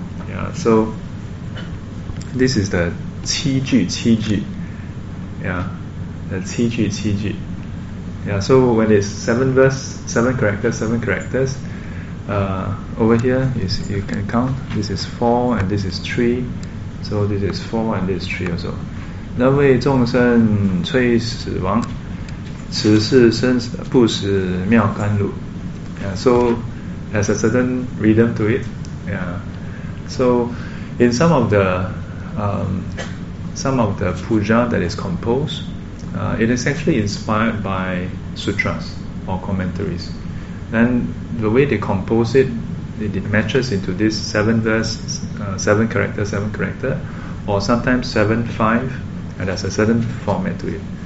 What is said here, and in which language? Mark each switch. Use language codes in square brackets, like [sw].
[en] Yeah. So this is the 七句.Yeah. The 七句. Yeah, so when it's seven characters, over here is you can count. This is four and this is three, so this is four and this is three also. [zh] 人为众生催死亡，此事生死不死妙甘露. [en] Yeah, so has a certain rhythm to it. Yeah, so in some of the puja that is composed, it is actually inspired by sutras or commentaries. Then the way they compose it, it matches into this seven character, or sometimes 7-5, and there's a certain format to it.